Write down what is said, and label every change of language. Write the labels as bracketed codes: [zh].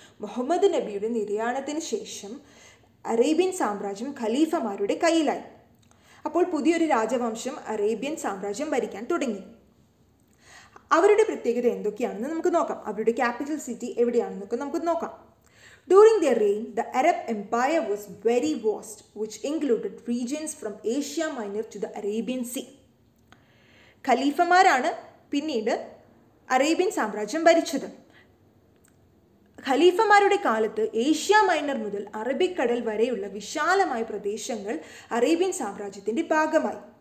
[ml] മുഹമ്മദ് നബിയുടെ നിര്യാണത്തിന് ശേഷം അറേബ്യൻ സാമ്രാജ്യം ഖലീഫമാരുടെ കയ്യിലായി. അപ്പോൾ പുതിയൊരു രാജവംശം അറേബ്യൻ സാമ്രാജ്യം ഭരിക്കാൻ തുടങ്ങി. അവരുടെ പ്രത്യേകത എന്തൊക്കെയാണെന്ന് നമുക്ക് നോക്കാം. അവരുടെ ക്യാപിറ്റൽ സിറ്റി എവിടെയാണെന്നൊക്കെ നമുക്ക് നോക്കാം. [en] During their reign, the Arab Empire was very vast, which included regions from Asia Minor to the Arabian Sea. [ml] ഖലീഫമാരാണ് പിന്നീട് അറേബ്യൻ സാമ്രാജ്യം ഭരിച്ചത്. ഖലീഫമാരുടെ കാലത്ത് ഏഷ്യ മൈനർ മുതൽ അറബിക്കടൽ വരെയുള്ള വിശാലമായ പ്രദേശങ്ങൾ അറേബ്യൻ സാമ്രാജ്യത്തിൻ്റെ ഭാഗമായി.